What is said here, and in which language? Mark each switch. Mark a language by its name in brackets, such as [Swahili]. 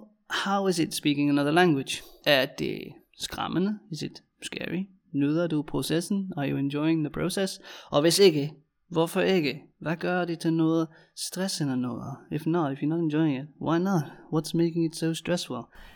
[English] How is it speaking another language? [Danish] Er det skræmmende? [English] Is it scary? [Danish] Nyder du processen? [English] Are you enjoying the process? [Danish] Og hvis ikke, hvorfor ikke? Hvad gør det til noget stressende noget? [English] If not, if you're not enjoying it, why not? What's making it so stressful?